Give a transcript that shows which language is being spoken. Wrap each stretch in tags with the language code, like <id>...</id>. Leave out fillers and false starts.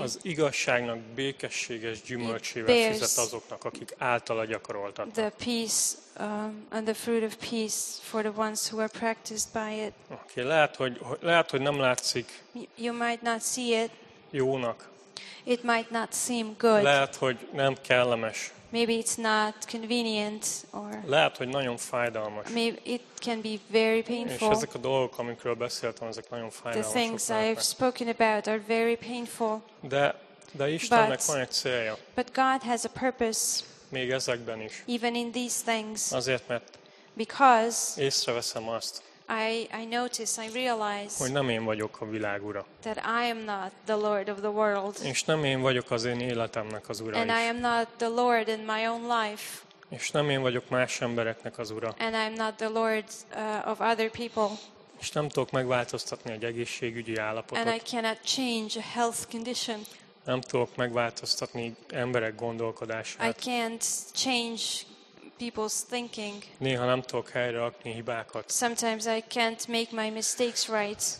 <hu>Az igazságnak békességes gyümölcsével fizet azoknak, akik általa gyakoroltatnak.</hu> <en>The peace and the fruit of peace for the ones who are practiced by it.</en> <hu>Okay, lehet, hogy nem látszik.</hu> <en>You might not see it.</en> <hu>Jónak.</hu> <en>It might not seem good.</en> <hu>Lehet, hogy nem kellemes.</hu> <en>Maybe it's not convenient or.</en> <hu>Lehet, hogy nagyon fájdalmas.</hu> <en>Maybe it can be very painful.</en> <hu>És ezek a dolgok, amikről beszéltem, ezek nagyon fájdalmasak.</hu> <en>The things I've spoken about are very painful.</en> <hu>De Istennek van egy célja.</hu> <en>But God has a purpose.</en> <hu>Még ezekben is.</hu> <en>Even in these things.</en> <hu>Azért, mert.</hu> <en>Because.</en> <hu>Észreveszem azt.</hu> <en>I notice, I realize.</en> <hu>Hogy nem én vagyok a világ ura.</hu> <en>That I am not the Lord of the world.</en> <hu>És nem én vagyok az én életemnek az ura.</hu> <en>And is. I am not the Lord in my own life.</en> <hu>És nem én vagyok más embereknek az ura.</hu> <en>And I am not the Lord of other people.</en> <hu>És nem tudok megváltoztatni egy egészségügyi állapotot.</hu> <en>And I cannot change a health condition.</en> <hu>Nem tudok megváltoztatni emberek gondolkodását.</hu> <en>I can't change people's thinking.</en> <hu>Néha nem tudok helyre rakni hibákat.</hu> <en>Sometimes I can't make my mistakes right.</en>